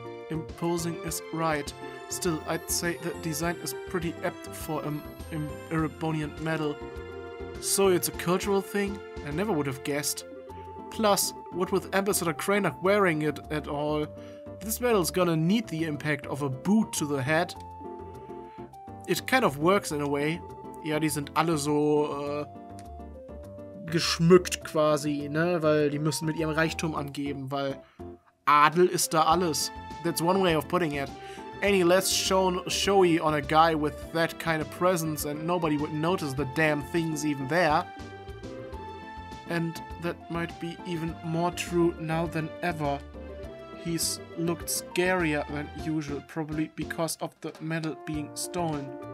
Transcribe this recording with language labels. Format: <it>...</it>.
<en>Imposing is right. Still, I'd say the design is pretty apt for an Erebonian medal. So it's a cultural thing? I never would have guessed. Plus, what with Ambassador Cranach wearing it at all, this medal's gonna need the impact of a boot to the head. It kind of works in a way.</en> <de>Ja, die sind alle so geschmückt quasi, ne? Weil die müssen mit ihrem Reichtum angeben, weil Adel ist da alles.</de> <en>That's one way of putting it. Any less showy on a guy with that kind of presence and nobody would notice the damn things even there. And that might be even more true now than ever. He's looked scarier than usual, probably because of the medal being stolen.</en>